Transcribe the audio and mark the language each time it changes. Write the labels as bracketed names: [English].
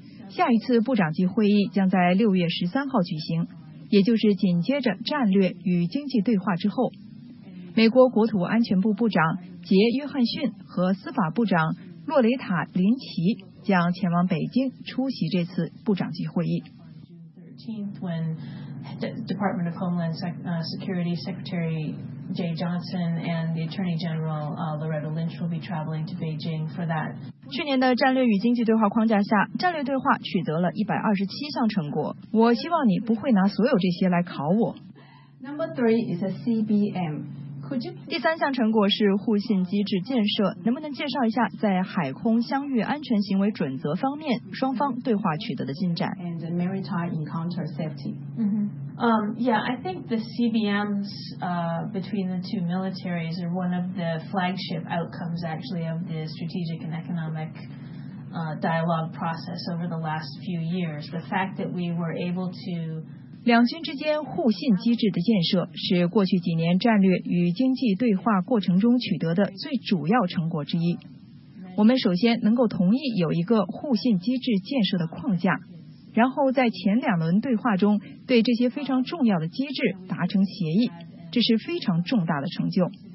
[Chinese] 下一次部长级会议将在6月13号举行，也就是紧接着战略与经济对话之后。美国国土安全部部长杰·约翰逊和司法部长洛雷塔·林奇将前往北京出席这次部长级会议。 [English] When the Department of Homeland Security Secretary Jay Johnson and the Attorney General Loretta Lynch will be traveling to Beijing for that. [Chinese] 去年的战略与经济对话框架下，战略对话取得了127项成果。我希望你不会拿所有这些来考我。 [English] Number three is a CBM. [Chinese] 第三项成果是互信机制建设，能不能介绍一下在海空相遇安全行为准则方面双方对话取得的进展 [English] ？And the maritime encounter safety.、 Mm-hmm. I think the CBMs between the two militaries are one of the flagship outcomes actually of the strategic and economic dialogue process over the last few years. The fact that we were able to. [Chinese] 两军之间互信机制的建设是过去几年战略与经济对话过程中取得的最主要成果之一。我们首先能够同意有一个互信机制建设的框架，然后在前两轮对话中对这些非常重要的机制达成协议，这是非常重大的成就。